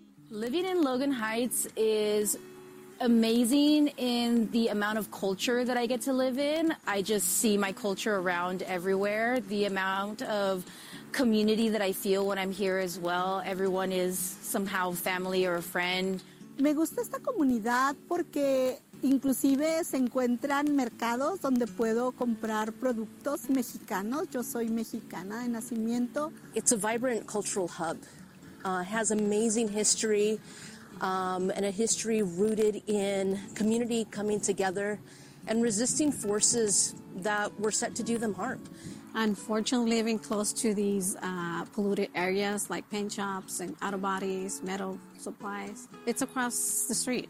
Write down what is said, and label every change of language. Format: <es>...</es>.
<en>Living in Logan Heights is amazing in the amount of culture that I get to live in. I just see my culture around everywhere. The amount of community that I feel when I'm here as well. Everyone is somehow family or a friend.</en> <es>Me gusta esta comunidad porque inclusive se encuentran mercados donde puedo comprar productos mexicanos. Yo soy mexicana de nacimiento.</es> <en>It's a vibrant cultural hub. Has amazing history and a history rooted in community coming together and resisting forces that were set to do them harm. Unfortunately, living close to these polluted areas like paint shops and auto bodies, metal supplies, it's across the street.</en>